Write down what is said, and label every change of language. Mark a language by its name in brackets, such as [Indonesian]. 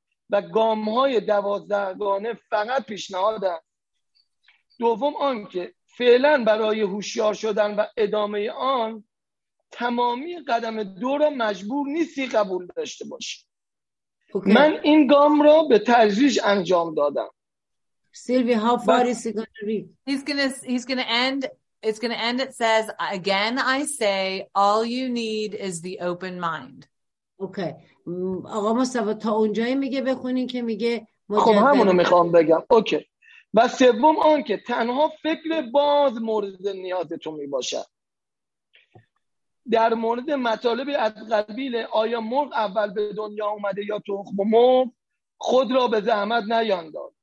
[Persian] و گام‌های 12 گانه فقط پیشنهادند. دوم آن که فعلاً برای هوشیار شدن و ادامه آن تمامی قدم دو را مجبور نیستی قبول داشته باشی. [English] Okay. [Persian] من این گام را به تدریج انجام دادم. [English] Sylvie, how far is he going to read? He's going to end. It's going to end. It says, again, I say, all you need is the open mind. Okay. [Persian] آقا مصطفی تا اونجایی میگه بخونین که میگه خب همونو میخوام بگم. Okay. و سوم آن که تنها فکر باز مورد نیاز تو میباشد. در مورد مطالب از قبیل آیا مرغ اول به دنیا اومده یا تخم مرغ، خود را به زحمت نینداز.